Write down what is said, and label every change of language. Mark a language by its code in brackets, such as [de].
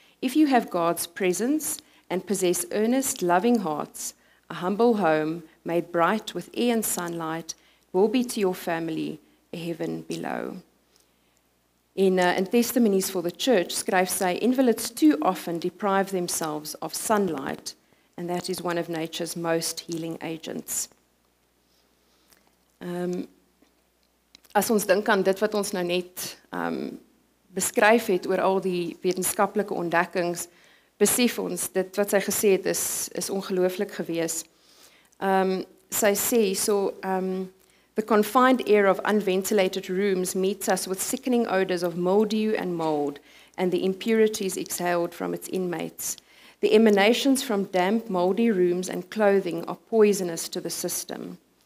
[en] If you have God's presence and possess earnest, loving hearts, a humble home made bright with air and sunlight will be to your family a heaven below." In Testimonies for the Church, [af] skryf sy, [en] "Invalids too often deprive themselves of sunlight, and that is one of nature's most healing agents." [af] As ons dink aan dit wat ons nou net beskryf het oor al die wetenskaplike ontdekkings, besef ons, dit wat sy gesê het is ongelooflik gewees. Sy sê, [en] "The confined air of unventilated rooms meets us with sickening odors of mildew and mold, and the impurities exhaled from its inmates. The emanations from damp, moldy rooms and clothing are poisonous to the system.